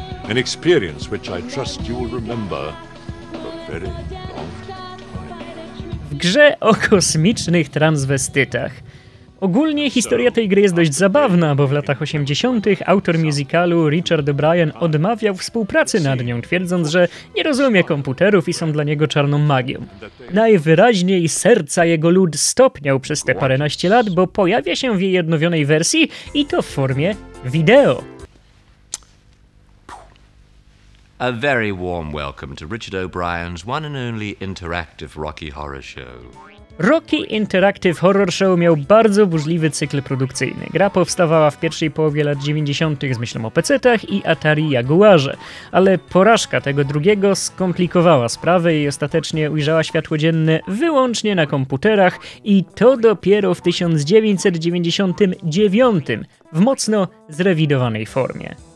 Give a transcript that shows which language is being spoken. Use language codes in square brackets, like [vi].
[en] An experience which I trust you will remember for a very long time. [pl] W grze o kosmicznych transwestytach. Ogólnie historia tej gry jest dość zabawna, bo w latach 80. autor musicalu Richard O'Brien odmawiał współpracy nad nią, twierdząc, że nie rozumie komputerów i są dla niego czarną magią. Najwyraźniej serca jego lud stopniał przez te paręnaście lat, bo pojawia się w jej odnowionej wersji i to w formie wideo. [en] A very warm welcome to Richard O'Brien's one and only interactive Rocky Horror Show. [pl] Rocky Interactive Horror Show miał bardzo burzliwy cykl produkcyjny. Gra powstawała w pierwszej połowie lat 90. z myślą o PC-tach i Atari Jaguarze, ale porażka tego drugiego skomplikowała sprawę i ostatecznie ujrzała światło dzienne wyłącznie na komputerach, i to dopiero w 1999 w mocno zrewidowanej formie.